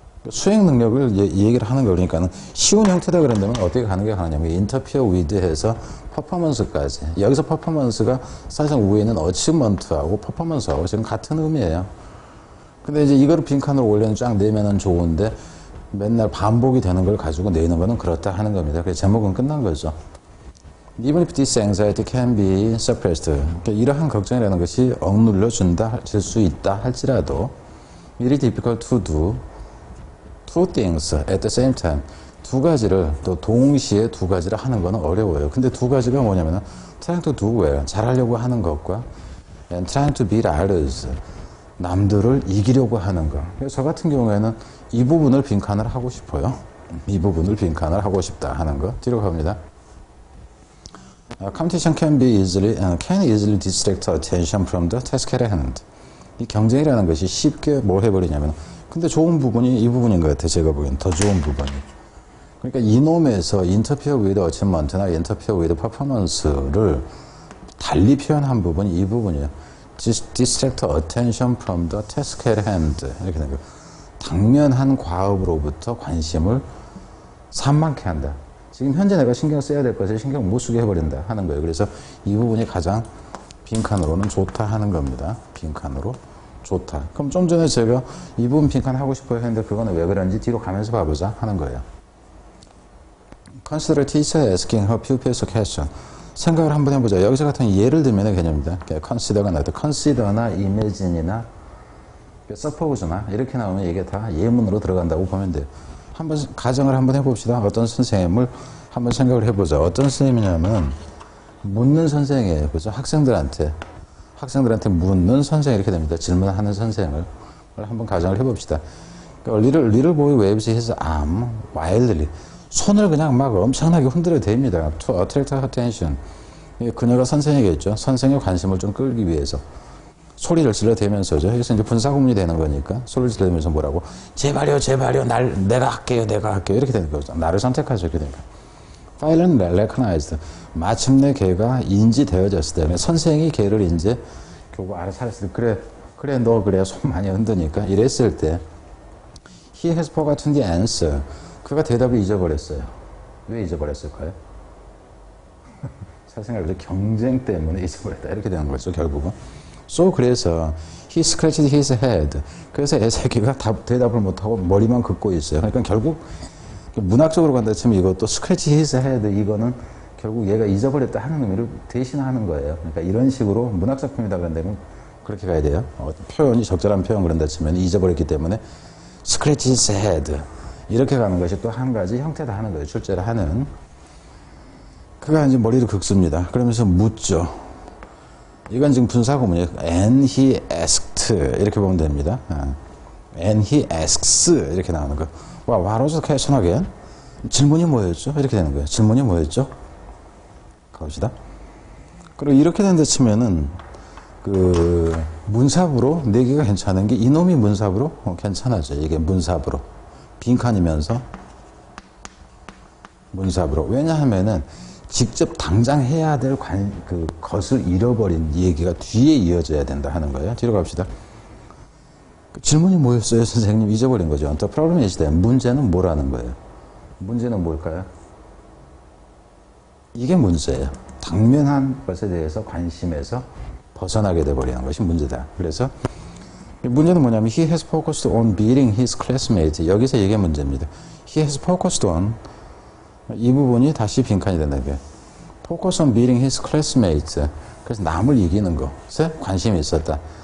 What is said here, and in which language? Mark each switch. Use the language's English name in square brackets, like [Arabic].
[Korean] 수행 능력을 얘기를 하는 거 그러니까는 쉬운 형태다 그런다면 어떻게 가는 게 가느냐면 interfere with 해서 performance까지. 여기서 performance가 사실상 위에는 achievement하고 performance하고 지금 같은 의미예요. 근데 이제 이걸 빈칸으로 원래는 쫙 내면은 좋은데 맨날 반복이 되는 걸 가지고 내는 거는 그렇다 하는 겁니다. 그래서 제목은 끝난 거죠. [English] Even if this anxiety can be suppressed. [Korean] 이러한 걱정이라는 것이 억눌러준다, 질수 있다 할지라도, [English] It is difficult to do two things at the same time. [Korean] 두 가지를, 또 동시에 두 가지를 하는 거는 어려워요. 근데 두 가지가 뭐냐면은, [English] trying to do well, [Korean] 잘하려고 하는 것과, [English] and trying to beat others. [Korean] 남들을 이기려고 하는 거. 저 같은 경우에는 이 부분을 빈칸을 하고 싶어요. 이 부분을 빈칸을 하고 싶다 하는 거. 뒤로 갑니다. [English] Competition can easily distract attention from the task at hand. [Korean] 이 경쟁이라는 것이 쉽게 뭘 해버리냐면, 근데 좋은 부분이 이 부분인 것 같아요. 제가 보기엔 더 좋은 부분이. 그러니까 이놈에서 interfere with achievement나 interfere with performance를 달리 표현한 부분이 이 부분이에요. [English] Distract attention from the task at hand. [Korean] 이렇게 된 거예요. 당면한 과업으로부터 관심을 산만케 한다. 지금 현재 내가 신경 써야 될 것을 신경 못 쓰게 해버린다 하는 거예요. 그래서 이 부분이 가장 빈칸으로는 좋다 하는 겁니다. 빈칸으로 좋다. 그럼 좀 전에 제가 이 부분 빈칸 하고 싶어요 했는데 그거는 왜 그런지 뒤로 가면서 봐보자 하는 거예요. [English] Consider teacher asking her pupils a question. [Korean] 생각을 한번 해보자. 여기서 같은 예를 들면의 개념입니다. Consider가 나왔다. Consider나 imagine이나 suppose나 이렇게 나오면 이게 다 예문으로 들어간다고 보면 돼요. 한번 가정을 한번 해봅시다. 어떤 선생님을 한번 생각을 해보자. 어떤 선생님이냐면 묻는 선생이에요. 그죠? 학생들한테 묻는 선생 이렇게 됩니다. 질문하는 선생을 한번 가정을 해봅시다. [English] Little boy waves his arm wildly. [Korean] 손을 그냥 막 엄청나게 흔들어 댑니다. [English] To attract her attention. [Korean] 그녀가 선생이겠죠. 선생의 관심을 좀 끌기 위해서. 소리를 질러대면서죠. 여기서 이제 분사 구문이 되는 거니까. 소리를 질러대면서 뭐라고? 제발요, 제발요, 내가 할게요. 이렇게 되는 거죠. 나를 선택하죠. 이렇게 되니까. [English] Finally recognized. [Korean] 마침내 걔가 인지되어졌을 때. 선생이 걔를 이제 교구 알아차렸을 때. 그래, 너 그래. 손 많이 흔드니까. 이랬을 때. [English] He has forgotten the answer. [Korean] 그가 대답을 잊어버렸어요. 왜 잊어버렸을까요? 생각을 경쟁 때문에 잊어버렸다 이렇게 되는 거죠 결국은. [English] So [Korean] 그래서 [English] he scratched his head. [Korean] 그래서 애새끼가 대답을 못하고 머리만 긋고 있어요. 그러니까 결국 문학적으로 간다 치면 이것도 [English] scratch his head [Korean] 이거는 결국 얘가 잊어버렸다 하는 의미를 대신하는 거예요. 그러니까 이런 식으로 문학 작품이다 그런다면 그렇게 가야 돼요. 표현이 적절한 표현 그런다 치면 잊어버렸기 때문에 [English] scratch his head [Korean] 이렇게 가는 것이 또한 가지 형태다 하는 거예요. 출제를 하는. 그가 이제 머리를 긁습니다. 그러면서 묻죠. 이건 지금 분사구문이에요. [English] And he asked [Korean] 이렇게 보면 됩니다. [English] And he asks [Korean] 이렇게 나오는 거. [English] Why was the question again? [Korean] 질문이 뭐였죠? 이렇게 되는 거예요. 질문이 뭐였죠? 갑시다. 그리고 이렇게 된다 치면은 그 문사부로 내기가 괜찮은 게 이놈이 문사부로 괜찮아져. 이게 문사부로 빈칸이면서 문사부로. 왜냐하면은 직접 당장 해야 될 그 것을 잃어버린 얘기가 뒤에 이어져야 된다 하는 거예요. 뒤로 갑시다. 질문이 뭐였어요, 선생님? 잊어버린 거죠. [English] The problem is that. [Korean] 문제는 뭐라는 거예요? 문제는 뭘까요? 이게 문제예요. 당면한 것에 대해서 관심에서 벗어나게 되어버리는 것이 문제다. 그래서 문제는 뭐냐면 [English] He has focused on beating his classmates. [Korean] 여기서 이게 문제입니다. [English] He has focused on [Korean] 이 부분이 다시 빈칸이 된다. [English] Focus on beating his classmates. [Korean] 그래서 남을 이기는 것에 관심이 있었다.